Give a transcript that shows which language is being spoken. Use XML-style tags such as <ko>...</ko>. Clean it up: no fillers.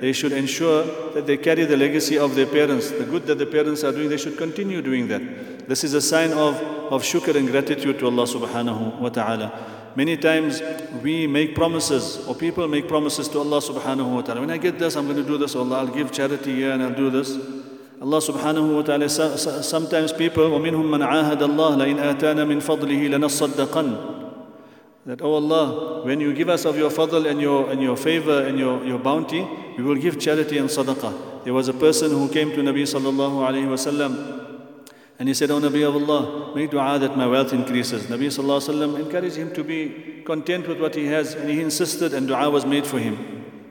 <en>They should ensure that they carry the legacy of their parents. The good that the parents are doing, they should continue doing that. This is a sign of shukr and gratitude to Allah subhanahu wa ta'ala. Many times we make promises, or people make promises to Allah subhanahu wa ta'ala. When I get this, I'm going to do this, Allah, I'll give charity here and I'll do this. Allah subhanahu wa ta'ala, sometimes people,</en> <ar>وَمِنْهُمْ مَنْ عَاهَدَ اللَّهَ لَإِنْ آتَانَ مِنْ فَضْلِهِ لَنَصَّدَّقَنْ.</ar> <en>That, oh Allah, when you give us of your fadl and your favor and your bounty, we will give charity and sadaqah. There was a person who came to Nabi sallallahu alayhi wa sallam, and he said, oh Nabi of Allah, make dua that my wealth increases. Nabi sallallahu alayhi wa sallam encouraged him to be content with what he has, and he insisted, and dua was made for him.</en>